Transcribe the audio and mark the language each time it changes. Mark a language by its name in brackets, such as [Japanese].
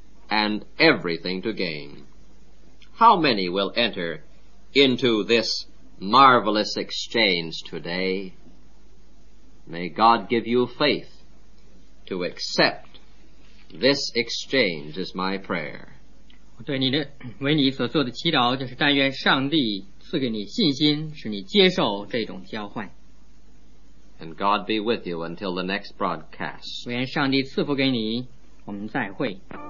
[English] and everything to gain. How many will enter into this marvelous exchange today? May God give you faith to accept this exchange is my prayer. [Chinese] 对你的为你所做的祈祷就是但愿上帝赐给你信心使你接受这种交换。 [English] And God be with you until the next broadcast. [Chinese] 愿上帝赐福给你，我们再会。